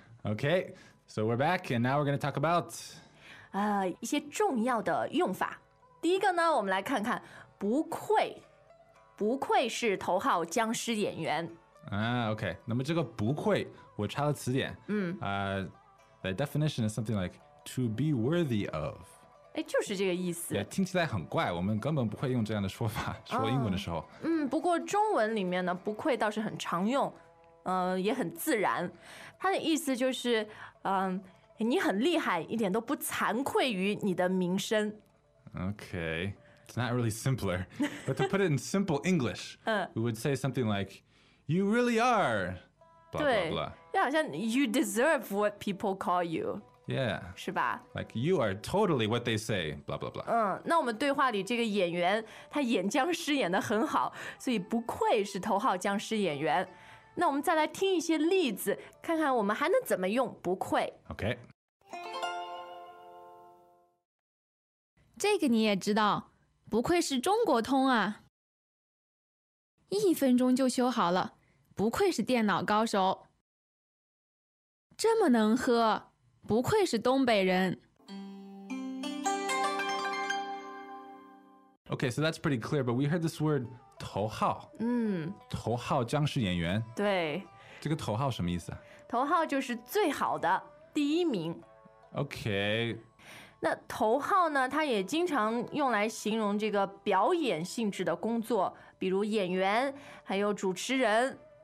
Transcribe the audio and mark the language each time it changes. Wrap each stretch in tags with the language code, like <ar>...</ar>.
<en>OK, so we're back and now we're going to talk about</en> <zh>一些重要的用法。第一个呢，我们来看看不愧。不愧是头号僵尸演员。 OK, 那么这个不愧我查了词典。</zh> <en>The definition is something like to be worthy of.</en> <zh>哎，就是这个意思。 Yeah, 听起来很怪，我们根本不会用这样的说法说英文的时候。不过中文里面呢，不愧倒是很常用，也很自然。它的意思就是，你很厉害，一点都不惭愧于你的名声。</zh> <en>Okay, it's not really simpler, but to put it in simple English, we would say something like, "You really are," blah blah blah.</en> <zh>就好像</zh> <en>you deserve what people call you. Yeah.</en> <zh>是吧</zh> <en>？Like you are totally what they say, blah blah blah.</en> <zh>那我们对话里这个演员他演僵尸演得很好，所以不愧是头号僵尸演员。那我们再来听一些例子，看看我们还能怎么用不愧。</zh> <en>Okay.</en> <zh>这个你也知道，不愧是中国通啊，一分钟就修好了，不愧是电脑高手。这么能喝，不愧是东北人。</zh> <en>Okay, so that's pretty clear, but we heard this word 头号。</en> <zh>头号僵尸演员。对，这个头号什么意思？头号就是最好的，第一名。</zh> <en>Okay,</en> <zh>那头号呢，它也经常用来形容这个表演性质的工作，比如演员还有主持人。</zh>